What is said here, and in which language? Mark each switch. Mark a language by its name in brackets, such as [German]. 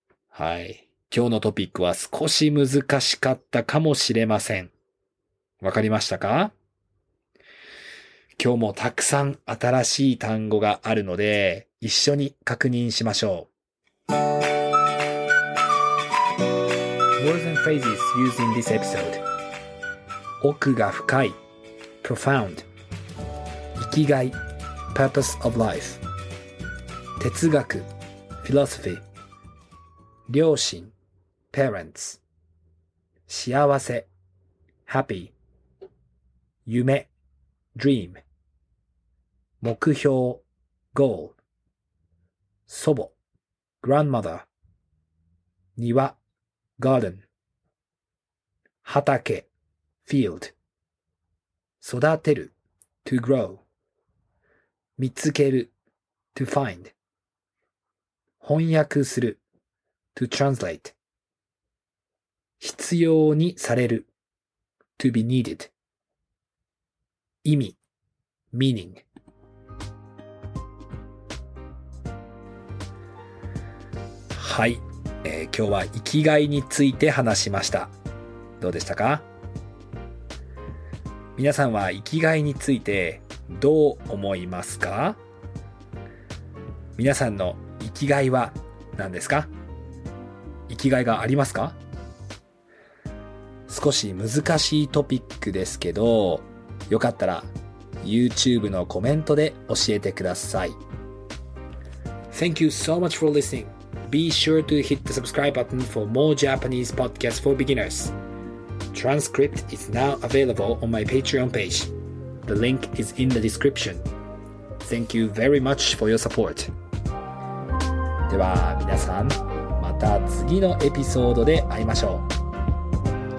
[Japanese] はい。今日のトピックは少し難しかったかもしれません。わかりましたか？今日もたくさん新しい単語があるので、一緒に確認しましょう。 [English] Words and phrases used in this episode. [Japanese] 奥が深い profound. 生きがい purpose of life. 哲学 philosophy. 両親 parents. 幸せ happy. 夢 dream. 目標 goal. 祖母 grandmother. 庭garden 畑 field 育てる to grow 見つける to find 翻訳する to translate 必要にされる to be needed 意味 meaning はい、今日は生きがいについて話しました。どうでしたか？皆さんは生きがいについてどう思いますか？皆さんの生きがいは何ですか？生きがいがありますか？少し難しいトピックですけど、よかったら YouTube のコメントで教えてください。 [English] Thank you so much for listening. Be sure to hit the subscribe button for more Japanese podcasts for beginners. Transcript is now available on my Patreon page. The link is in the description. Thank you very much for your support. [Japanese] では皆さん、また次のエピソードで会いましょう。